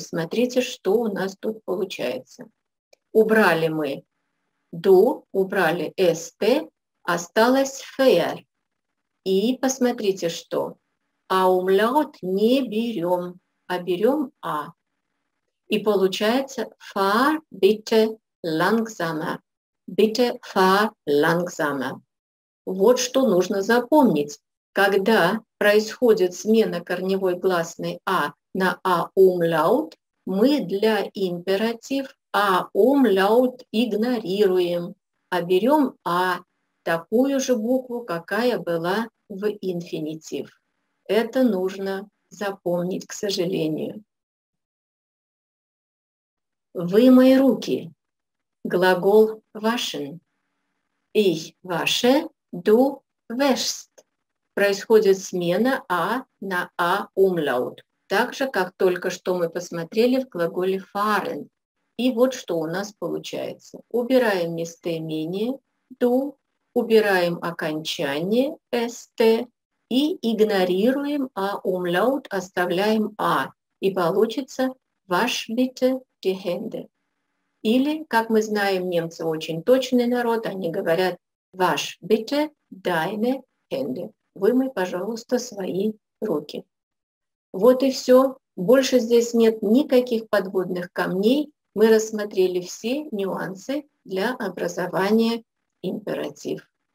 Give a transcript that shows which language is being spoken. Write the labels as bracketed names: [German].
[Russian] Смотрите, что у нас тут получается. Убрали мы do, убрали st, осталось fair. И посмотрите, что aumlaut не берем, а берем a. И получается [German] fahr bitte langsamer. Bitte fahr langsamer. [Russian] Вот что нужно запомнить. Когда происходит смена корневой гласной «а» на «а умляут», мы для императив «а умляут» игнорируем, а берем «а» такую же букву, какая была в инфинитив. Это нужно запомнить, к сожалению. «Вымой руки» – глагол «waschen». [German] «Ich wasche, du wäschst». [Russian] Происходит смена «а» на «а» умляут, так же, как только что мы посмотрели в глаголе «фарен». И вот что у нас получается. Убираем местоимение «ду», убираем окончание «ст» и игнорируем «а» умляут, оставляем «а». И получится [German] «wasch bitte die Hände». [Russian] Или, как мы знаем, немцы очень точный народ, они говорят [German] «wasch bitte deine Hände». [Russian] Вымой, пожалуйста, свои руки. Вот и все. Больше здесь нет никаких подводных камней. Мы рассмотрели все нюансы для образования императив.